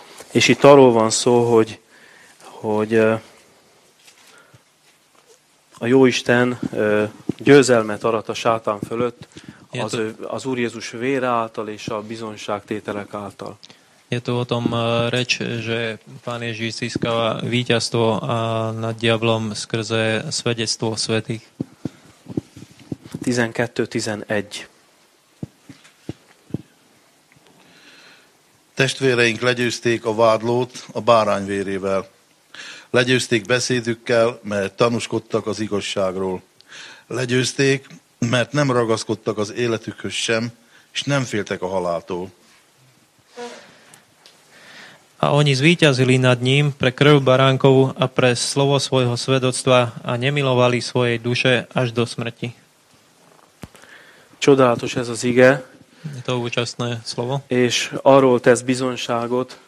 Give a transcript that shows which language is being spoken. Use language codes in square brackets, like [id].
[hu] És itt arról van szó, hogy a Jóisten győzelmet arat a sátán fölött az Úr Jézus vére által és a bizonságtételek által. [sk] Je to o tom reč, že Pán Ježiš získava víťazstvo nad diablom skrze svedectvo svätých. 12.11. [hu] Testvéreink legyőzték a vádlót a bárány vérével. Legyőzték beszédükkel, mert tanúskodtak az igazságról. Legyőzték, mert nem ragaszkodtak az életükhöz sem, és nem féltek a haláltól. [sk] A oni zvíťazili nad ním pre krv baránkovú a pre slovo svojho svedectva a nemilovali svojej duše až do smrti. [hu] Čodálatos ez az ige. [sk] Je to účastné slovo. [hu] És arról tesz bizonságot.